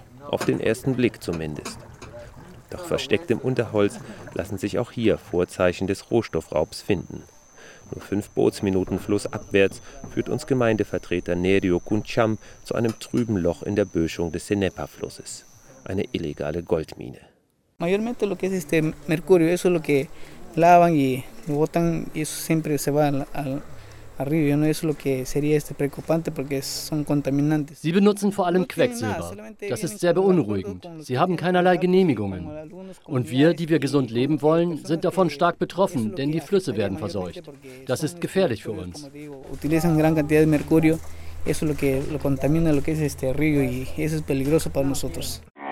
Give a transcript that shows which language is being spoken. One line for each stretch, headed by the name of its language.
German: Auf den ersten Blick zumindest. Doch versteckt im Unterholz lassen sich auch hier Vorzeichen des Rohstoffraubs finden. Nur 5 Bootsminuten flussabwärts führt uns Gemeindevertreter Nerio Kuncham zu einem trüben Loch in der Böschung des Senepa-Flusses. Eine illegale Goldmine.
Spanish: Mayormente lo que es este mercurio, eso es lo que lavan y botan y eso siempre se va al arriba, no es lo que sería este preocupante porque son contaminantes.
German: Sie benutzen vor allem Quecksilber. Das ist sehr beunruhigend. Sie haben keinerlei Genehmigungen. Und wir, die wir gesund leben wollen, sind davon stark betroffen, denn die Flüsse werden verseucht. Das ist gefährlich für uns.
Spanish: Utilizan gran cantidad de mercurio, eso lo que lo contamina lo que es este río y eso es peligroso para nosotros.